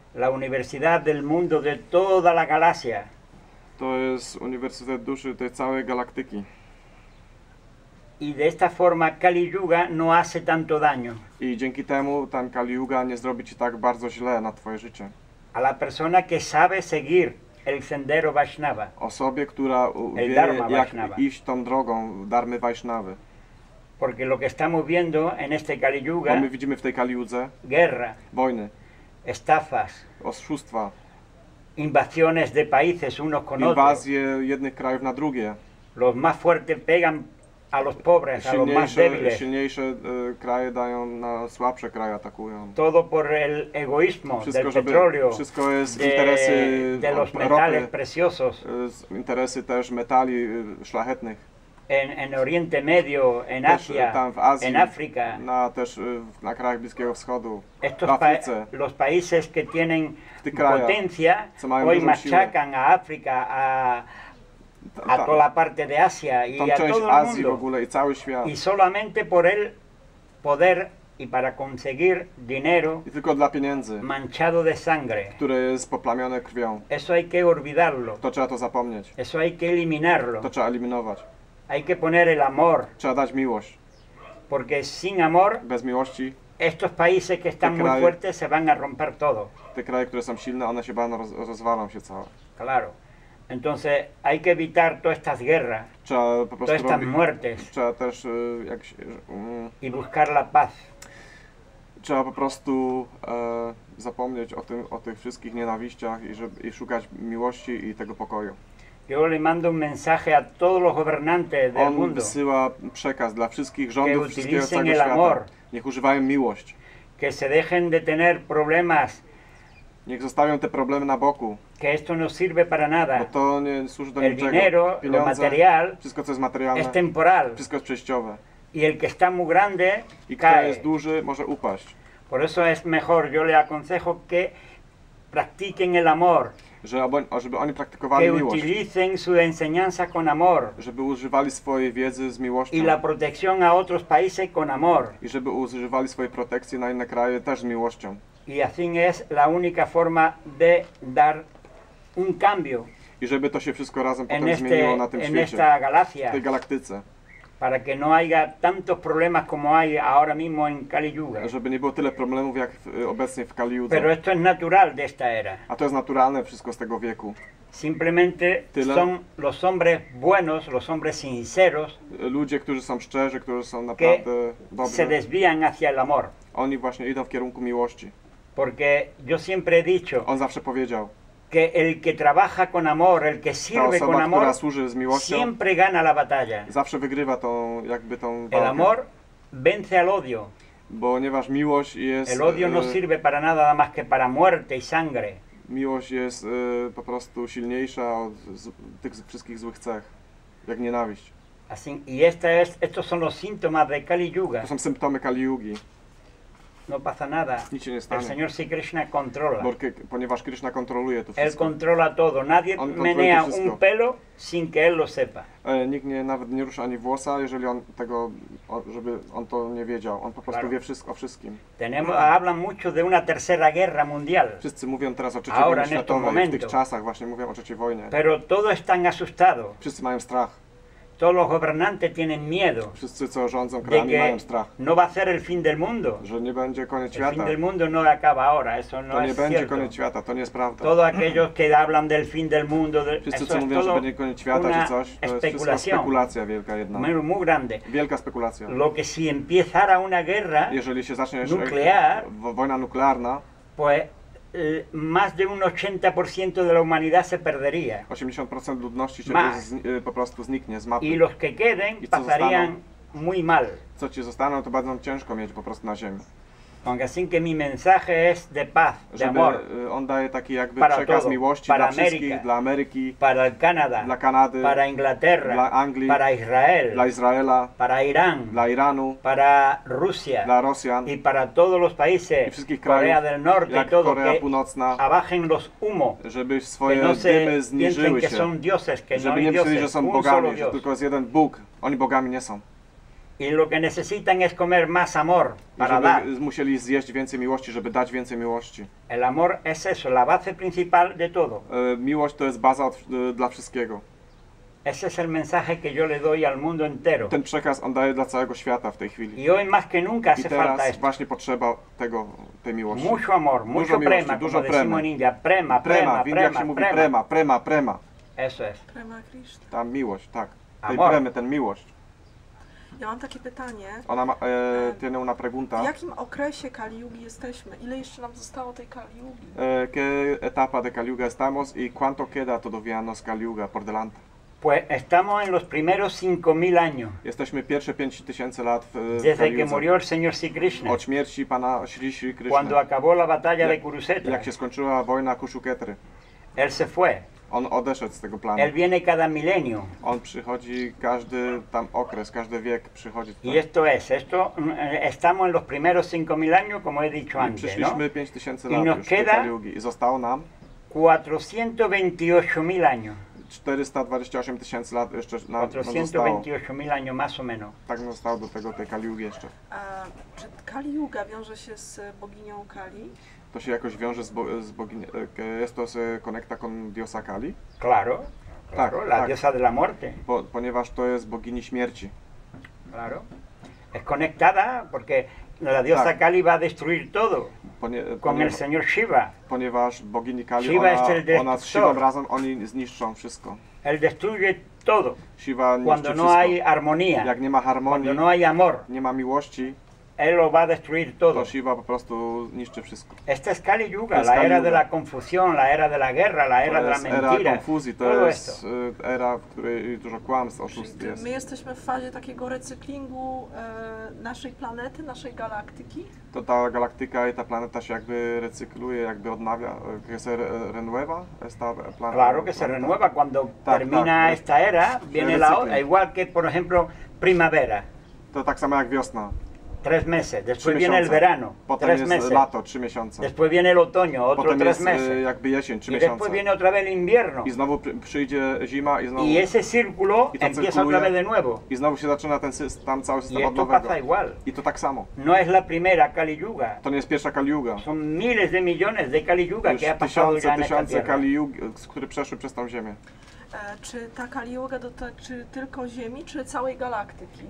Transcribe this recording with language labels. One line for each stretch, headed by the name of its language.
Spanish: La universidad del mundo de toda la galaxia.
Polish: To jest uniwersytet duszy tej całej galaktyki.
Spanish: Y de esta forma Kali Yuga no hace tanto daño.
Polish: I dzięki temu ten Kali Yuga nie zrobi ci tak bardzo źle na twoje życie.
Spanish: A la persona que sabe seguir el sendero Vaishnava.
Polish: Osobie, która wie, jak iść tą drogą darmy Vaishnavy.
Spanish: Porque lo que estamos viendo en este Kali Yuga.
Polish: My widzimy w tej Kali Yudze.
Spanish: Guerra.
Polish: Wojny.
Spanish: Estafas.
Polish: Oszustwa.
Spanish: Invasiones de países unos con otros.
Polish: Inwazje jednych krajów na drugie.
Spanish: Los más fuertes pegan a los pobres, a los más débiles.
Polish: Silniejsze kraje dają na słabsze kraje atakują.
Spanish: Todo por el egoísmo
Polish: wszystko,
Spanish: del petróleo.
Polish: Wszystko jest interesy
Spanish: de los metales preciosos.
Polish: Interesy też metali szlachetnych.
Spanish: En Oriente Medio, en Asia,
Polish: tam w Azji,
Spanish: en África.
Polish: Na też na krajach Bliskiego Wschodu.
Spanish: Estos
Polish: w Afryce,
Spanish: los países que tienen
Polish: krajach,
Spanish: potencia
Polish: co mają
Spanish: hoy machacan a África a toda la parte de Asia y a todo el
Polish: Azji
Spanish: mundo
Polish: w ogóle, i cały świat.
Spanish: Y solamente por el poder y para conseguir dinero
Polish: i tylko dla pieniędzy,
Spanish: manchado de sangre,
Polish: które jest poplamione krwią.
Spanish: Eso hay que olvidarlo.
Polish: To trzeba to zapomnieć.
Spanish: Eso hay que eliminarlo.
Polish: To trzeba eliminować.
Spanish: Hay que poner el amor.
Polish: Trzeba dać miłość.
Spanish: Porque sin amor,
Polish: bez miłości,
Spanish: estos países que están
Polish: kraje,
Spanish: muy fuertes se van a romper todo.
Polish: Te kraje, które są silne, one się będą rozwalą się całe.
Spanish: Claro. Entonces hay que evitar todas estas guerras, todas estas muertes,
Polish: też, jak się,
Spanish: y buscar la paz.
Polish: Trzeba po prostu zapomnieć o tych wszystkich nienawiściach i szukać miłości i tego pokoju.
Spanish: Yo le mando un mensaje a todos los gobernantes del mundo.
Polish: On wysyła przekaz dla wszystkich rządów wszystkiego całego świata. Amor, niech używają miłość.
Spanish: Que se dejen de tener problemas.
Polish: Niech zostawią te problemy na boku.
Spanish: Que esto no sirve para nada.
Polish: Bo to nie służy do
Spanish: el
Polish: niczego.
Spanish: Dinero,
Polish: pieniądze,
Spanish: lo material,
Polish: wszystko co jest materialne,
Spanish: es temporal.
Polish: Wszystko jest przejściowe.
Spanish: Y el que está muy grande,
Polish: i kto
Spanish: cae.
Polish: Jest duży, może upaść.
Spanish: Por eso es mejor, yo le aconsejo que practiquen el amor.
Polish: Żeby oni praktykowali
Spanish: que
Polish: miłość.
Spanish: Utilicen su enseñanza con amor.
Polish: Żeby używali swojej wiedzy z miłością.
Spanish: Y la protección a otros países con amor.
Polish: I żeby używali swojej protekcji na inne kraje też z miłością.
Spanish: Y así es la única forma de dar un cambio.
Polish: I żeby to się wszystko razem potem zmieniło na tym
Spanish: en
Polish: świecie.
Spanish: Esta galaxia,
Polish: w tej galaktyce.
Spanish: Para que no haya tantos problemas como hay ahora mismo en Kali Yuga.
Polish: Żeby nie było tyle problemów jak obecnie w Kali Yuga.
Spanish: Pero esto es natural de esta era.
Polish: A to jest naturalne wszystko z tego wieku.
Spanish: Simplemente tyle? Son los hombres buenos, los hombres sinceros.
Polish: Ludzie, którzy są szczerzy, którzy są naprawdę dobrzy.
Spanish: Se desvían hacia el amor.
Polish: Oni właśnie idą w kierunku miłości.
Spanish: Porque yo siempre he dicho.
Polish: On zawsze powiedział.
Spanish: Que el que trabaja con amor, el que sirve
Polish: osoba,
Spanish: con amor,
Polish: służy z miłością,
Spanish: siempre gana la batalla.
Polish: Zawsze wygrywa tą, jakby tą walkę.
Spanish: El amor vence al odio.
Polish: Ponieważ miłość jest...
Spanish: El odio no sirve para nada más que para muerte y sangre.
Polish: Miłość jest po prostu silniejsza od tych wszystkich złych cech, jak nienawiść.
Spanish: Así, y esta es, estos son los síntomas de Kali Yuga.
Polish: To są symptomy Kali Yugi.
Spanish: No pasa nada.
Polish: Nic się nie stanie.
Spanish: El señor si Krishna controla.
Polish: Porque, ponieważ Krishna kontroluje to wszystko.
Spanish: Él controla todo. Nadie menea un pelo sin que él lo sepa.
Polish: Nikt nie, nawet nie rusza ani włosa, jeżeli on tego, żeby on to nie wiedział. On po prostu
Spanish: claro.
Polish: Wie wszystko o wszystkim.
Spanish: Tenemos, hablan mucho de una tercera guerra mundial.
Polish: Wszyscy mówią teraz o trzeciej
Spanish: ahora,
Polish: wojnie światowej. W tych czasach właśnie mówią o trzeciej wojnie.
Spanish: Pero todos están asustados.
Polish: Wszyscy mają strach.
Spanish: Todos los gobernantes tienen miedo.
Polish: Wszyscy, co rządzą krajami, mają strach.
Spanish: No va a ser el fin del mundo.
Polish: Że nie będzie koniec
Spanish: el
Polish: świata.
Spanish: El fin del mundo no acaba ahora. Eso no
Polish: to nie
Spanish: es
Polish: będzie
Spanish: cierto.
Polish: Koniec świata. To nie jest prawda.
Spanish: Todos aquellos que hablan del fin del mundo.
Polish: Wszyscy, co mówią, że będzie koniec świata, czy coś, to jest wszystko spekulacja wielka jedna.
Spanish: Muy grande.
Polish: Wielka spekulacja.
Spanish: Lo que si empezara una guerra.
Polish: Jeżeli się zacznie
Spanish: nuclear,
Polish: wojna nuklearna.
Spanish: Pues, más de un 80% de la humanidad se perdería.
Polish: 80% ludności się po prostu zniknie z mapy.
Spanish: Y los que queden pasarían muy mal.
Polish: Co ci zostaną, to będą ciężko mieć po prostu na ziemi.
Spanish: Aunque así que mi mensaje es de paz, de amor.
Polish: On daje taki jakby
Spanish: para
Polish: przekaz
Spanish: todo,
Polish: miłości
Spanish: para
Polish: dla wszystkich,
Spanish: America,
Polish: dla Ameryki,
Spanish: para Canada,
Polish: dla Kanady,
Spanish: para Inglaterra,
Polish: dla Anglii,
Spanish: para Israel,
Polish: dla Izraela,
Spanish: para Irán,
Polish: dla Iranu,
Spanish: para Rusia,
Polish: dla Rosjan
Spanish: i para todos los países,
Polish: i wszystkich krajów,
Spanish: Korea del Norte,
Polish: jak
Spanish: i todo,
Polish: Korea Północna,
Spanish: que abajen los humo,
Polish: żeby swoje dymy zniżyły się,
Spanish: que no se son dioses, que
Polish: żeby
Spanish: no
Polish: nie myśleli,
Spanish: dioses,
Polish: że są bogami, że tylko jest jeden Bóg, oni bogami nie są.
Spanish: Y lo que necesitan es comer más amor para
Polish: żeby
Spanish: dar.
Polish: Musieli zjeść więcej miłości, żeby dać więcej miłości.
Spanish: El amor es eso, la base principal de todo.
Polish: Miłość to jest baza dla wszystkiego.
Spanish: Ese es el mensaje que yo le doy al mundo entero.
Polish: Ten przekaz on daje dla całego świata w tej chwili.
Spanish: Y hoy más que nunca hace falta
Polish: esto. I teraz właśnie potrzeba tego, tej miłości.
Spanish: Mucho amor, mucho
Polish: dużo
Spanish: prema,
Polish: miłości, dużo
Spanish: como prema. Decimos en India. Prema, prema, prema,
Polish: w Indiach
Spanish: prema,
Polish: się mówi prema, prema, prema.
Spanish: Eso es. Prema Krishna.
Polish: Ta miłość, tak. Tej
Spanish: amor.
Polish: Premy, ten miłość. Ja mam takie pytanie. Ona ma,
Spanish: tiene una pregunta.
Polish: W jakim okresie Kali Yugi jesteśmy? Ile jeszcze nam zostało tej Kali Yugi?
Spanish: ¿Qué etapa de Kali Yuga estamos y cuánto queda todavía nos Kali Yuga por delante? Pues estamos en los primeros 5000 años.
Polish: Jesteśmy pierwsze 5000 lat w
Spanish: desde que murió el señor Sri Krishna.
Polish: Od śmierci pana Sri Krishna.
Spanish: Cuando acabó la batalla de Kurusetra.
Polish: Jak się skończyła wojna Kushuketry.
Spanish: Él se fue.
Polish: On odeszedł z tego planu.
Spanish: Él viene cada milenio.
Polish: On przychodzi każdy tam okres, każdy wiek przychodzi.
Spanish: Y esto es, esto estamos en los primeros 5000 años, como he dicho antes, ¿no?
Polish: Przyszliśmy 5000 lat
Spanish: y nos
Polish: już
Spanish: queda
Polish: tej Kali-Yugi. I zostało nam
Spanish: 428000 años.
Polish: 428000 lat jeszcze na zostało.
Spanish: 428000 años más o menos.
Polish: Tak zostało do tego tej Kali-Yugi jeszcze. Czy Kali-Yuga wiąże się z boginią Kali? To się jakoś wiąże z boginią.
Spanish: Esto se conecta con diosa Kali? Claro.
Polish: Tak,
Spanish: la
Polish: tak.
Spanish: Diosa de la muerte.
Polish: Ponieważ to jest bogini śmierci.
Spanish: Claro. Es conectada porque la diosa
Polish: tak.
Spanish: Kali va a destruir todo. Con el señor Shiva.
Polish: Ponieważ bogini Kali Shiva ona z Shivą razem oni zniszczą wszystko.
Spanish: El destruye todo.
Polish: Shiva niszczy cuando wszystko.
Spanish: No hay armonía.
Polish: Jak nie ma harmonii.
Spanish: Cuando no hay amor.
Polish: Nie ma miłości.
Spanish: Él lo va a destruir todo.
Polish: To Shiva po prostu niszczy wszystko.
Spanish: Esta es Kali Yuga, la era de la confusión, la era de la guerra, la era de la mentira.
Polish: To jest era konfuzji, to jest era, w której dużo kłamstw, oszustw jest. My jesteśmy w fazie takiego recyklingu naszej planety, naszej galaktyki. To ta galaktyka i ta planeta się jakby recykluje, jakby odnawia.
Spanish: Que se renueva esta planeta. Claro que se renueva cuando termina esta era, viene la otra. Igual que, por ejemplo, primavera.
Polish: To tak samo jak wiosna.
Spanish: Tres meses. Después viene el verano.
Polish: Potem jest lato, 3 miesiące.
Spanish: Después viene el otoño, otro 3 meses.
Polish: Potem jest jakby jesień, 3 miesiące.
Spanish: Después viene otra vez el invierno.
Polish: I znowu przyjdzie zima i znowu...
Spanish: Y ese círculo empieza otra vez de nuevo.
Polish: I znowu się zaczyna ten tam cały system
Spanish: odnowego. Y esto pasa igual.
Polish: I to tak samo.
Spanish: No es la primera Kali Yuga.
Polish: To nie jest pierwsza Kali Yuga.
Spanish: Son miles de millones de Kali Yuga que ha pasado ya en esta tierra.
Polish: Tysiące Kali Yuga, które przeszły przez tą ziemię. Czy ta Kali Yuga dotyczy tylko Ziemi, czy całej galaktyki?